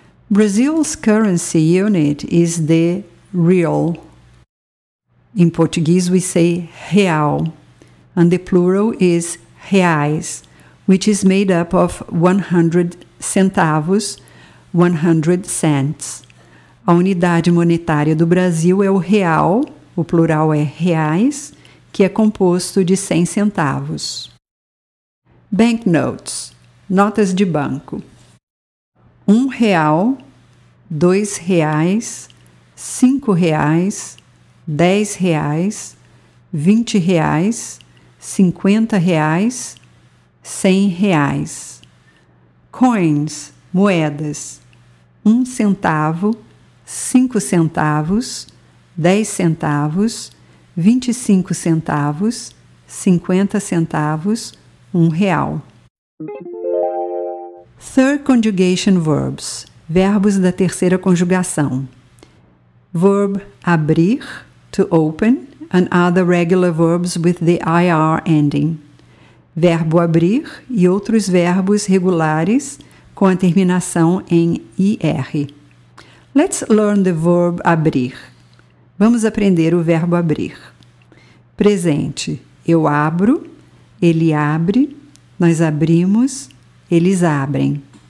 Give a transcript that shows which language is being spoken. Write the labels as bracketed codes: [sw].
[en] Brazil's currency unit is the real. In Portuguese we say real. And the plural is reais, which is made up of 100 centavos, 100 cents. [pt] A unidade monetária do Brasil é o real, o plural é reais, que é composto de 100 centavos. [en] Banknotes. [pt] Notas de banco. R$1, R$2, R$5, R$10, R$20, R$50, R$100. [en] Coins, [pt] moedas. R$0,01, 5 centavos, 10 centavos, 25 centavos, 50 centavos, R$1. [en] Third conjugation verbs, [pt] verbos da terceira conjugação. [en] Verb abrir, to open, and other regular verbs with the IR ending. [pt] Verbo abrir e outros verbos regulares com a terminação em IR. [en] Let's learn the verb abrir. [pt] Vamos aprender o verbo abrir. Presente, eu abro, ele abre, nós abrimos, eles abrem.